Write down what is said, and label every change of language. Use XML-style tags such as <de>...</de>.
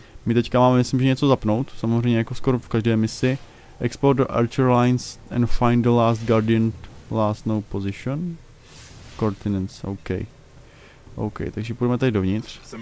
<cs>My teďka máme, myslím, že něco zapnout, samozřejmě jako skoro v každé misi.</cs> <en>Explore the Archer Lines and find the last Guardian last known position. Coordinates, ok.</en> <cs>OK, takže půjdeme tady dovnitř.</cs>